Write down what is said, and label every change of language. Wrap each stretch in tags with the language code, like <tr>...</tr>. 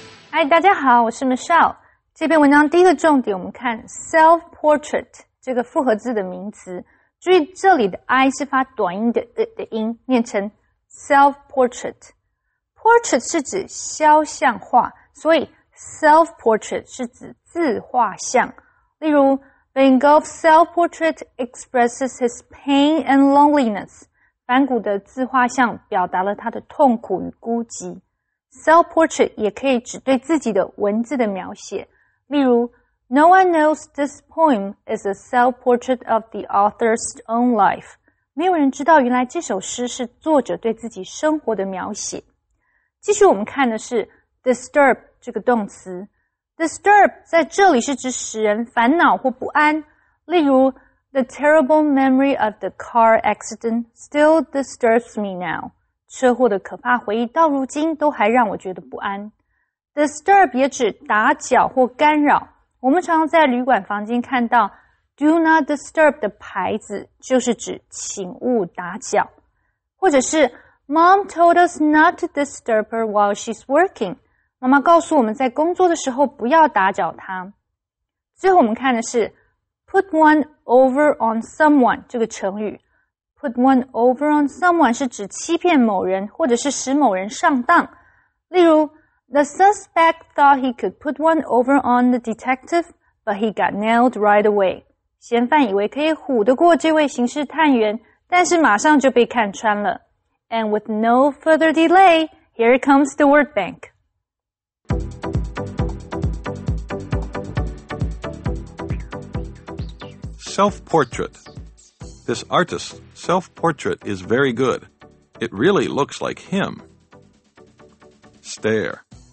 <zh>嗨，大家好，我是 Michelle。这篇文章第一个重点我们看 self-portrait 这个复合字的名词，注意这里的 I 是发短音的 的音，念成 self-portrait。 Portrait 是指肖像画，所以 self-portrait 是指自画像。</zh> <en>例如 Van Gogh's self-portrait expresses his pain and loneliness.</en> <zh>梵谷的自画像表达了他的痛苦与孤寂。 Self-portrait 也可以指对自己的文字的描写。</zh> <en>例如 No one knows this poem is a self-portrait of the author's own life.</en> <zh>没有人知道原来这首诗是作者对自己生活的描写。继续我们看的是 disturb 这个动词。 Disturb 在这里是指使人烦恼或不安。</zh> <en>例如 The terrible memory of the car accident still disturbs me now.</en> <zh>车祸的可怕回忆到如今都还让我觉得不安。 Disturb 也指打搅或干扰。我们常常在旅馆房间看到</zh> <en>Do not disturb</en> <zh>的牌子，就是指请勿打搅。</zh> <en>或者是 Mom told us not to disturb her while she's working.</en> <zh>妈妈告诉我们在工作的时候不要打搅她。最后我们看的是 Put one over on someone 这个成语。 Put one over on someone 是指欺骗某人或者是使某人上当。</zh> <en>例如The suspect thought he could put one over on the detective, but he got nailed right away.</en> <zh>嫌犯以为可以唬得过这位刑事探员，但是马上就被看穿了。</zh> <en>And with no further delay, here comes the word bank. Self-portrait. This artist's self-portrait is very good. It really looks like him. Stare.</en>